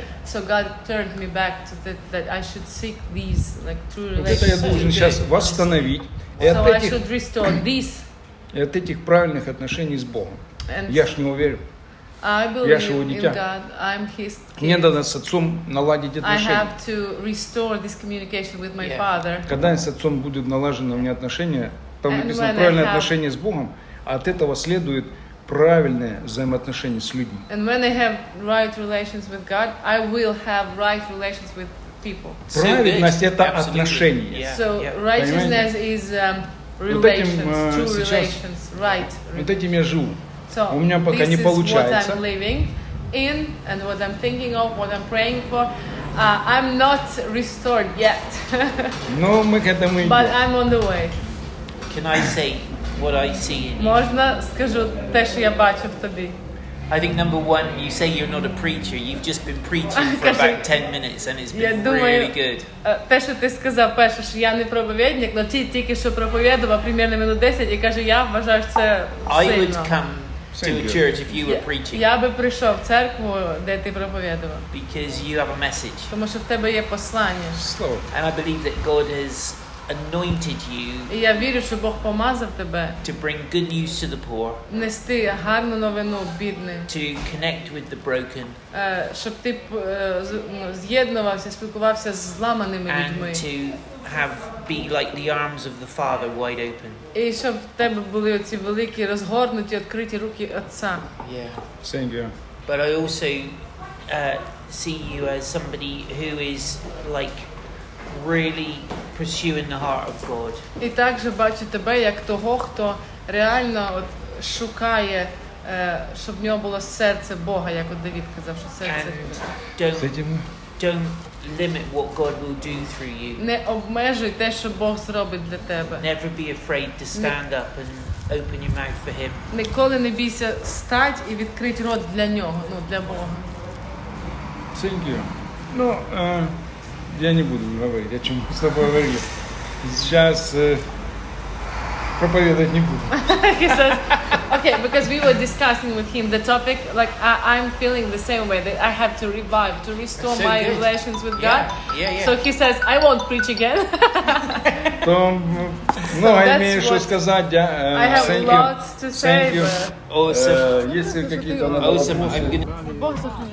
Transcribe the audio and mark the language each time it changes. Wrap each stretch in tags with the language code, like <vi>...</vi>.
<en>So God turned me back to the, that I should seek these like true relations.</en> <ru>Вот это я должен сейчас восстановить.</ru> <en>So I should restore these.</en> <ru>И от этих правильных отношений с Богом.</ru> <en>And</en> <ru>я ж не уверен.</ru> <en>I</en> <ru>я ж его дитя. Мне надо с отцом наладить отношения.</ru> <en>I have to restore this communication with my father.</en> <ru>Когда с отцом будет налажено у меня отношение, там написано правильное отношение с Богом, а от этого следует правильное взаимоотношение с людьми.</ru> <en>And when I have right relations with God, I will have right relations with people.</en> <ru>Правильность – это отношение.</ru> <en>So righteousness is relations, true relations, right relations.</en> <ru>Вот этим я живу. У меня пока не получается.</ru> <en>This is what I'm living in, and what I'm thinking of, what I'm praying for. I'm not restored yet.</en> <ru>Но мы к этому идем.</ru> <en>But I'm on the way. Can I say what I see in you?</en> <uk>Можно скажу те, що я бачу в тобі.</uk> <en>I think number one, you say you're not a preacher. You've just been preaching for about 10 minutes, and it's been really good.</en> <uk>Те, що ти сказав перше, що я не проповідник, але тільки що проповідував приблизно минут 10 і каже, я вважаю, що це сильно.</uk> <en>I would come to a church if you were preaching.</en> <uk>Я би прийшов в церкву, де ти проповідував.</uk> <en>Because you have a message.</en> <uk>Тому що в тебе є послання.</uk> <en>And I believe that God has anointed you.</en> <uk>Я вірю, що Бог помазав тебе.</uk> <en>To bring good news to the poor.</en> <uk>Нести гарну новину бідним.</uk> <en>To connect with the broken.</en> <uk>Щоб ти з'єднувався, спілкувався з зламаними людьми.</uk> <en>And to have be like the arms of the Father wide open.</en> <uk>І щоб в тебе були оці великі розгорнуті відкриті руки Отця.</uk> <en>Yeah. Thank you. But I also see you as somebody who is like really pursuing the heart of God.</en> <uk>І також бачу тебе як того, хто реально от шукає, щоб в нього було серце Бога, як от Давид казав, що серце</uk> <en>don't limit what God will do through you.</en> <uk>Не обмежуй те, що Бог зробить для тебе.</uk> <en>Never be afraid to stand up and open your mouth for him.</en> <uk>Ніколи не бійся стати і відкрити рот для нього, ну, для Бога.</uk> <en>Thank you.</en> <ru>No, я не буду говорить, о чем мы с тобой говорили. Сейчас проповедовать не буду.</ru> <en>He says, okay, because we were discussing with him the topic, like I'm feeling the same way, that I have to revive, to restore so my good. Relations with yeah. God. Yeah, yeah. So he says, I won't preach again.</en> <ru>То, ну, я имею что сказать, да?</ru> <en>I have lots to say. Thank you. Awesome.</en> <ru>Если какие-то надо вопросы.</ru>